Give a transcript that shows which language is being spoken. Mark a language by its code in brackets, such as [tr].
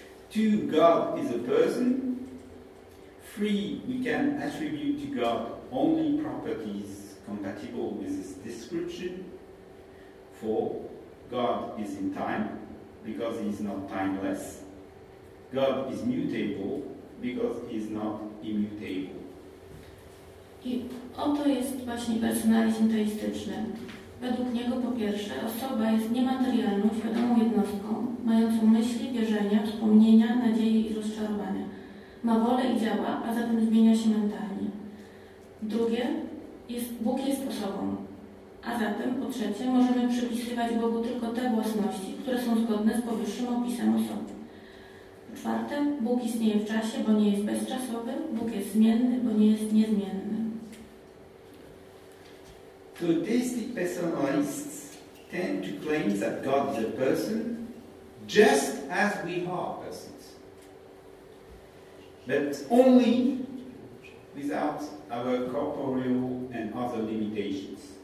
[en] Two, God is a person. Three, we can attribute to God only properties compatible with this description. Four, God is in time because he is not timeless. God is mutable, because he is not immutable. [pl] I oto jest właśnie personalizm teistyczny. Według niego po pierwsze osoba jest niematerialną, świadomą jednostką, mającą myśli, wierzenia, wspomnienia, nadzieje i rozczarowania. Ma wolę i działa, a zatem zmienia się mentalnie. Drugie, Bóg jest osobą. A zatem po trzecie możemy przypisywać Bogu tylko te własności, które są zgodne z powyższym opisem osoby. Czwarte, Bóg istnieje w czasie, bo nie jest bezczasowy, Bóg jest zmienny, bo nie jest niezmienny. [en] So theistic personalists tend to claim that God is a person just as we are persons. But only without our corporeal and other limitations.